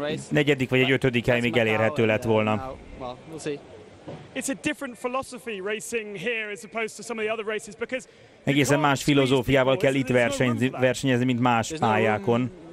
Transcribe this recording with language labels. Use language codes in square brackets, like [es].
[hu] Negyedik vagy egy ötödik hely még elérhető lett volna. [en] It's a different philosophy racing here as opposed to some of the other races because [hu] egészen más filozófiával kell itt versenyezni, mint más pályákon.